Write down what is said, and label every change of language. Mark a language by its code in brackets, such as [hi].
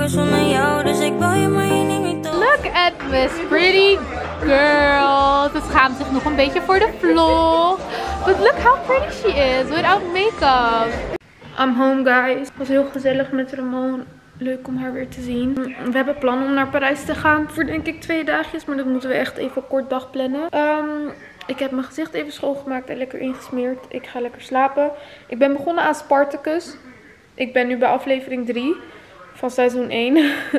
[en] Look at this pretty girl. [nl] Ze schaamt zich nog een beetje voor de vlog. [en] But look how pretty she is without makeup. I'm home, guys. [nl] Het was heel gezellig met Ramon. Leuk om haar weer te zien. We hebben plan om naar Parijs te gaan voor denk ik 2 dagjes. Maar dat moeten we echt even kort dag plannen. Ik heb mijn gezicht even schoongemaakt en lekker ingesmeerd. Ik ga lekker slapen. Ik ben begonnen aan Spartacus. Ik ben nu bij aflevering 3 van seizoen 1.